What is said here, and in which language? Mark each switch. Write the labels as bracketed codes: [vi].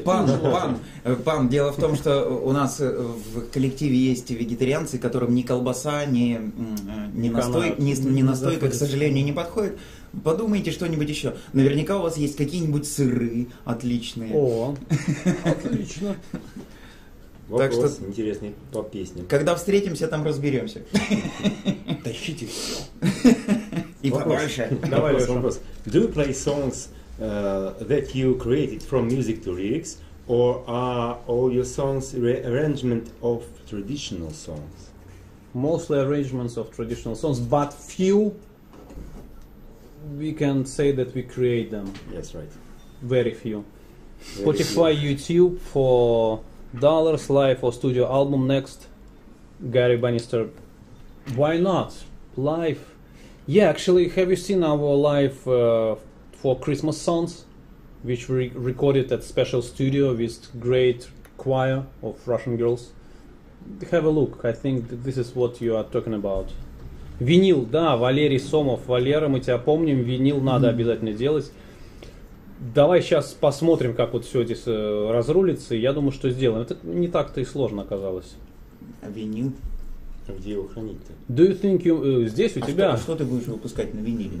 [ru] Пан, дело в том, что у нас в коллективе есть вегетарианцы, которым ни колбаса, ни настойка, к сожалению, не подходит. Подумайте что-нибудь еще. Наверняка у вас есть какие-нибудь сыры отличные. О, отлично. Вопрос так что, интересный по песням. Когда встретимся, там разберемся. Тащите все. И побольше. Давай, Леша. Вопрос. [en] Do you play songs that you created from music to lyrics, or are all your songs arrangement of traditional songs? Mostly arrangements of traditional songs, but few, we can say that we create them. Yes, right. Very few. Spotify, YouTube for... Dollars, Live or Studio Album next, Gary Bannister. Why not? Live. Yeah, actually, have you seen our live for Christmas songs, which we recorded at special studio with great choir of Russian girls? Have a look. I think this is what you are talking about. [ru] Винил, да, Валерий Сомов. Валера, мы тебя помним. Винил надо обязательно делать. Давай сейчас посмотрим, как вот все здесь разрулится. Я думаю, что сделаем. Это не так-то и сложно оказалось. А винил? А где его хранить-то? [en] Do you think you... [ru] здесь у тебя... Что ты будешь выпускать на виниле?